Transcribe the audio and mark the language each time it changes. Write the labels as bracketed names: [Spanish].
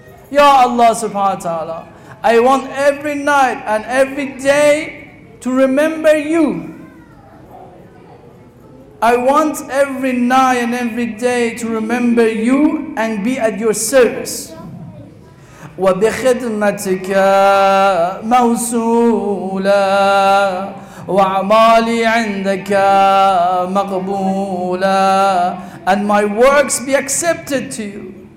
[English] Ya Allah subhanahu wa ta'ala, I want every night and every day to remember you. I want every night and every day to remember you and be at your service. [Arabic] وبخدمتك موصولا وعمالي عندك مقبولا. [English] And my works be accepted to you.